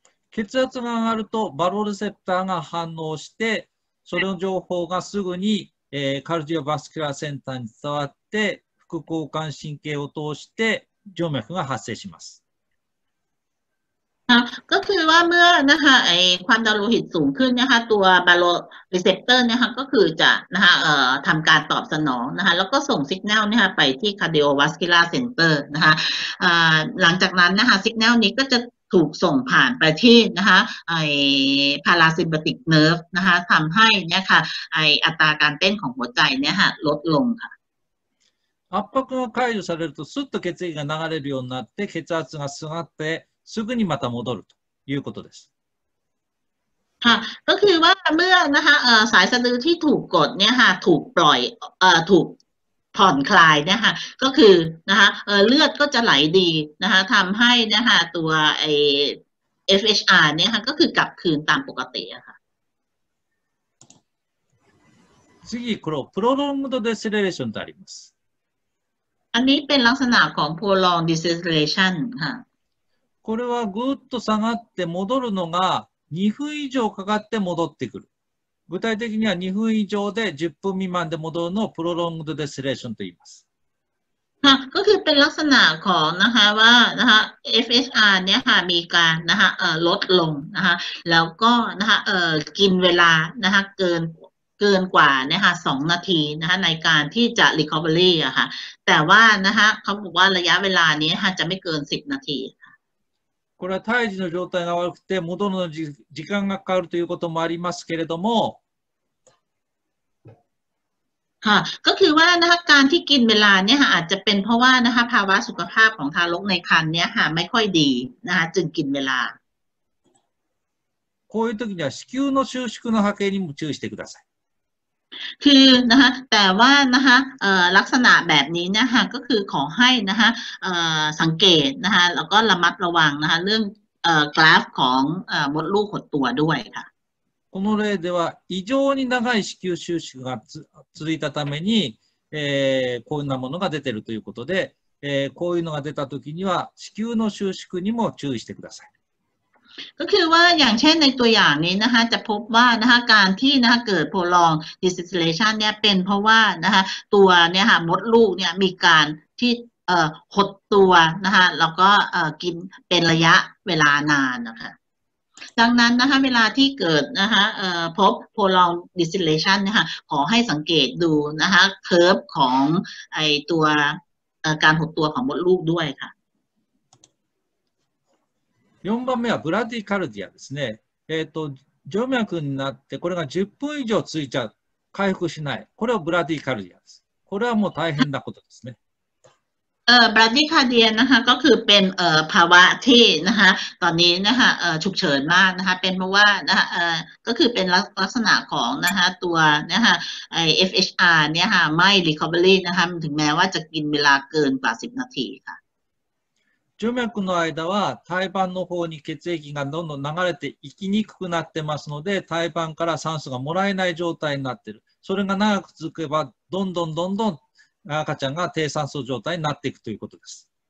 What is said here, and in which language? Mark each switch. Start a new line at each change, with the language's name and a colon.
Japanese: 血圧が上がるとバロレセプターが反応してその情報がすぐにカルディオバスキュラーセンターに伝わって副交感神経を通して静脈が発生します
Thai: ก็คือว่าเมื่อนะคะไอความดันโลหิตสูงขึ้นนะคะตัวบาโรีเซปเตอร์นะคะก็คือจะนะคะทำการตอบสนองนะคะแล้วก็ส่งสัญญาณนะคะไปที่คาร์ดิโอวาสคิลาร์เซ็นเตอร์นะคะหลังจากนั้นนะคะสัญญาณนี้ก็จะถูกส่งผ่านไปที่นะคะไอพาราซิมบาติกเนิร์ฟนะคะทำให้เนี่ยค่ะไออัตราการเต้นของหัวใจเนี่ยค่ะลดลงค่ะ
Japanese: 圧迫が解除されるとスッと血液が流れるようになって血圧が下がってすぐにまた戻るということです。はい、
Thai: ก็คือว่าเมื่อนะคะสายสะดือที่ถูกกดเนี่ยค่ะถูกปล่อยถูกผ่อนคลายเนี่ยค่ะก็คือนะคะเลือดก็จะไหลดีนะคะทำให้นะคะตัวไอ FHR เนี่ยค่ะก็คือกลับคืนตามปกติอะค่ะ
Japanese: 次これプロロングドデスレーションとあります。
Thai: อันนี้เป็นลักษณะของ prolonged dissociation ค่ะ
Japanese: これはぐっと下がって戻るのが2分以上かかって戻ってくる。具体的には2分以上で10分未満で戻るのをプロロングドデスレーションと言います。
Thai: ค่ะก็คือเป็นลักษณะของนะคะว่านะคะ FSR เนี่ยค่ะมีการนะคะลดลงนะคะแล้วก็นะคะกินเวลานะคะเกินกว่านะคะ2นาทีนะคะในการที่จะ recovery อะค่ะแต่ว่านะคะเขาบอกว่าระยะเวลานี้ค่ะจะไม่เกิน10นาที
Japanese: これは胎児の状態が悪くて戻るのに時間がかかるということもありますけれども
Thai: ค่ะก็คือว่านะคะการที่กินเวลาเนี่ยค่ะอาจจะเป็นเพราะว่านะคะภาวะสุขภาพของทารกในครรภ์เนี่ยค่ะไม่ค่อยดีนะคะจึงกินเวลา
Japanese: こういう時には子宮の収縮の波形にも注意してください
Thai: คือนะคะแต่ว่านะคะลักษณะแบบนี้นะคะก็คือขอให้นะคะสังเกตนะคะแล้วก็ระมัดระวังนะคะเรื่องกราฟของมดลูกหดตัวด้วยค่ะ
Japanese: この例では異常に長い子宮収縮が続いたために、こういうものが出ているということで、こういうのが出た時には子宮の収縮にも注意してください。
Thai: ก็คือว่าอย่างเช่นในตัวอย่างนี้นะคะจะพบว่านะคะการที่นะคะเกิด prolonged dissociation เนี่ยเป็นเพราะว่านะคะตัวเนี่ยค่ะมดลูกเนี่ยมีการที่หดตัวนะคะแล้วก็กินเป็นระยะเวลานานนะคะดังนั้นนะคะเวลาที่เกิดนะคะพบ prolonged dissociation นะคะขอให้สังเกตดูนะคะ curve ของไอตัวการหดตัวของมดลูกด้วยค่ะ
Japanese: 4番目はブラディカルディアですね。静脈になってこれが10分以上ついちゃう、回復しない。これはブラディカルディアです。これはもう大変なことですね。
Thai: ブラディカルディアนะคะก็คือเป็นภาวะที่นะคะตอนนี้นะคะฉุกเฉินมากนะคะเป็นเพราะว่านะคะก็คือเป็นลักษณะของนะคะตัวนะคะไอ FHR เนี่ยค่ะไม่ recovery นะคะถึงแม้ว่าจะกินเวลาเกินกว่า10นาทีค่ะ
Japanese: 静脈の間は胎盤の方に血液がどんどん流れて行きにくくなってますので胎盤から酸素がもらえない状態になっている。それが長く続けばどんどんどんどん赤ちゃんが低酸素状態になっていくということです。